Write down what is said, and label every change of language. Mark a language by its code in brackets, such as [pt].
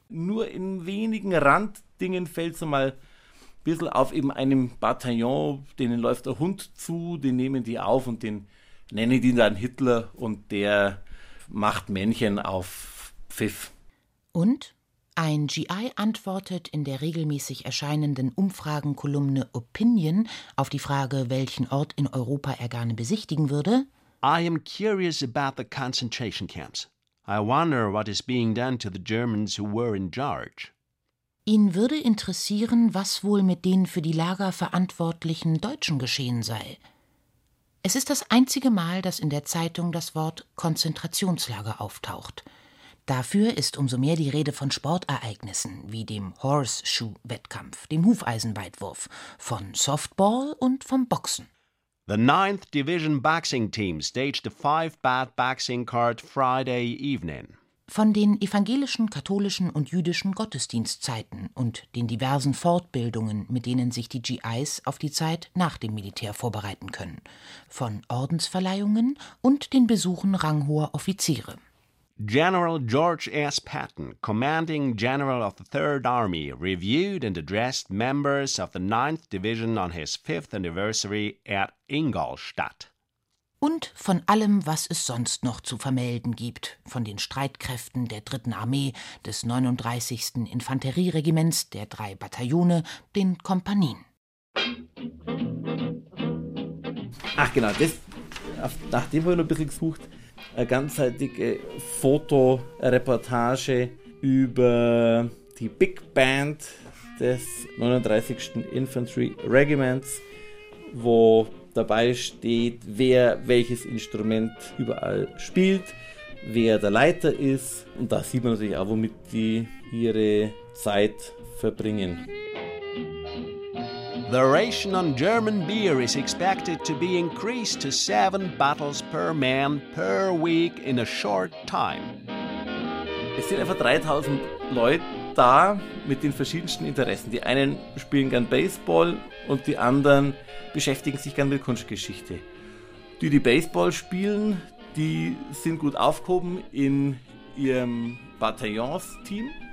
[de] Nur in wenigen Randdingen fällt es mal ein bisschen auf, eben einem Bataillon, denen läuft der Hund zu, den nehmen die auf und den nennen die dann Hitler und der macht Männchen auf Pfiff. Und? Ein GI antwortet in der regelmäßig erscheinenden Umfragenkolumne Opinion auf die Frage, welchen Ort in Europa er gerne besichtigen würde. [en] I am curious about the concentration camps. I wonder what is being done to the Germans who were in charge. [de] Ihn würde interessieren, was wohl mit den für die Lager verantwortlichen Deutschen geschehen sei. Es ist das einzige Mal, dass in der Zeitung das Wort Konzentrationslager auftaucht. Dafür ist umso mehr die Rede von Sportereignissen wie dem Horseshoe-Wettkampf, dem Hufeisenweitwurf, von Softball und vom Boxen. [en] The 9th Division Boxing Team staged a 5-bat boxing card Friday evening. [de] Von den evangelischen, katholischen und jüdischen Gottesdienstzeiten und den diversen Fortbildungen, mit denen sich die GIs auf die Zeit nach dem Militär vorbereiten können. Von Ordensverleihungen und den Besuchen ranghoher Offiziere. [en] General George S. Patton, commanding general of the 3rd Army, reviewed and addressed members of the 9th Division on his 5th anniversary at Ingolstadt. [de] Und von allem, was es sonst noch zu vermelden gibt, von den Streitkräften der 3. Armee, des 39. Infanterieregiments, der 3 Bataillone, den Kompanien. Ach genau, das, nach dem habe ich noch ein bisschen gesucht, eine ganzseitige Fotoreportage über die Big Band des 39. Infantry Regiments, wo dabei steht, wer welches Instrument überall spielt, wer der Leiter ist. Und da sieht man natürlich auch, womit die ihre Zeit verbringen. [en] The ration on German beer is expected to be increased to 7 bottles per man per week in a short time. [de] Es sind einfach 3000 Leute da mit den verschiedensten Interessen. Die einen spielen gern Baseball und die anderen beschäftigen sich gern mit Kunstgeschichte. Die, die Baseball spielen, die sind gut aufgehoben in ihrem Bataillons-Team.